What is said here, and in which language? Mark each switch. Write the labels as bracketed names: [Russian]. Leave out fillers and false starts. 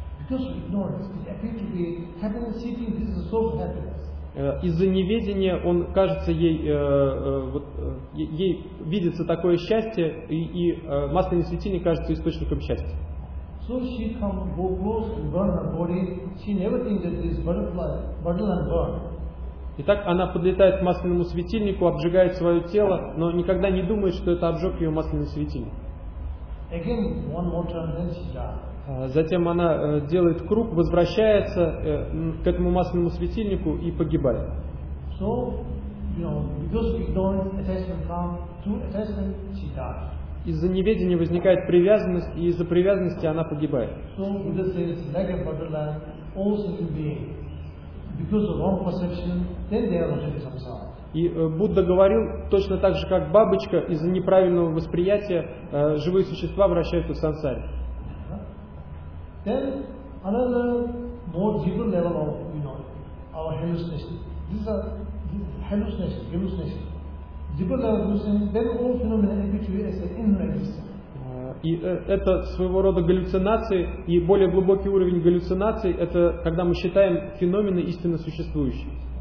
[Russian] Из-за неведения он кажется ей, ей видится такое счастье, и масляный светильник кажется источником счастья. [English] So she can go close to burn her body. She never thinks that this butterfly, butterfly and burn. [Russian] Итак, она подлетает к масляному светильнику, обжигает свое тело, но никогда не думает, что это обжег ее масляный светильник. [English] Again, one more turn, then she dies. [Russian] Затем она делает круг, возвращается к этому масляному светильнику и погибает. [English] So, because ignorance, attachment comes, through attachment, she dies. [Russian] Из-за неведения возникает привязанность, и из-за привязанности она погибает. [English] So, Buddha says, like a butterfly, all sentient beings, because of wrong perception, then they are not in samsara. [Russian] И Будда говорил точно так же, как бабочка, из-за неправильного восприятия живые существа вращаются в сансаре. И это своего рода галлюцинации, и более глубокий уровень галлюцинаций это когда мы считаем феномены истинно существующие.